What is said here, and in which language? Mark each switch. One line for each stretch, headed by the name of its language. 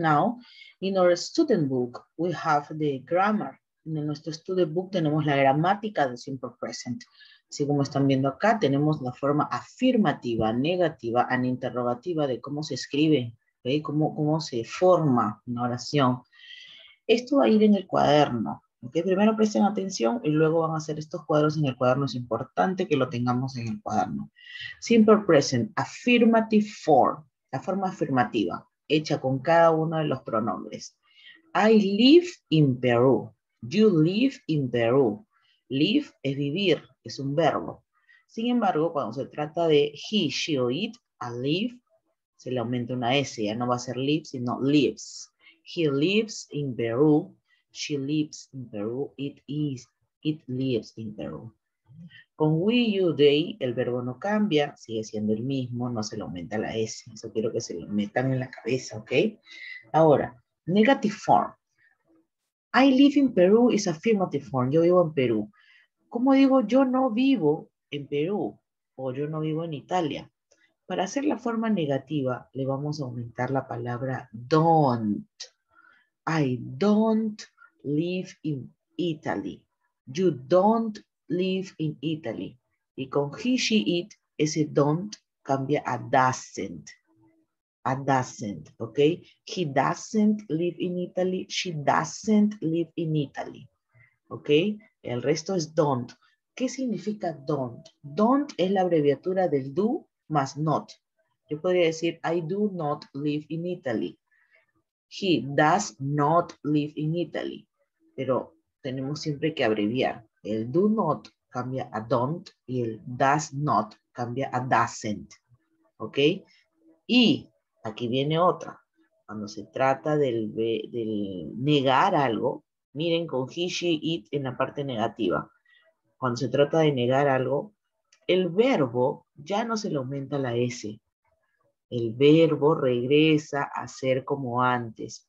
English: Now, in our student book, we have the grammar.
Spanish: En nuestro student book tenemos la gramática de simple present. Así como están viendo acá, tenemos la forma afirmativa, negativa, and interrogativa de cómo se escribe, ¿okay? Cómo se forma una oración. Esto va a ir en el cuaderno, ¿okay? Primero presten atención y luego van a hacer estos cuadros en el cuaderno. Es importante que lo tengamos en el cuaderno.
English: Simple present, affirmative form,
Spanish: la forma afirmativa, hecha con cada uno de los pronombres.
English: I live in Peru. You live in Peru.
Spanish: Live es vivir, es un verbo. Sin embargo, cuando se trata de he, she o it, a live, se le aumenta una S. Ya no va a ser live, sino lives.
English: He lives in Peru. She lives in Peru. It is. It lives in Peru.
Spanish: Con we, you, they, el verbo no cambia. Sigue siendo el mismo. No se le aumenta la S. Eso quiero que se lo metan en la cabeza, ¿ok?
English: Ahora, negative form. I live in Peru is affirmative form.
Spanish: Yo vivo en Perú. ¿Cómo digo yo no vivo en Perú? O yo no vivo en Italia. Para hacer la forma negativa, le vamos a aumentar la palabra don't.
English: I don't live in Italy. You don't live in Italy.
Spanish: Y con he, she, it, ese don't cambia a doesn't.
English: A doesn't, ¿ok? He doesn't live in Italy. She doesn't live in Italy.
Spanish: ¿Ok? El resto es don't. ¿Qué significa don't? Don't es la abreviatura del do más not. Yo podría decir,
English: I do not live in Italy. He does not live in Italy.
Spanish: Pero tenemos siempre que abreviar. El do not cambia a don't y el does not cambia a doesn't. ¿Ok? Y aquí viene otra. Cuando se trata del negar algo, miren con he, she, it en la parte negativa. Cuando se trata de negar algo, el verbo ya no se le aumenta la S. El verbo regresa a ser como antes.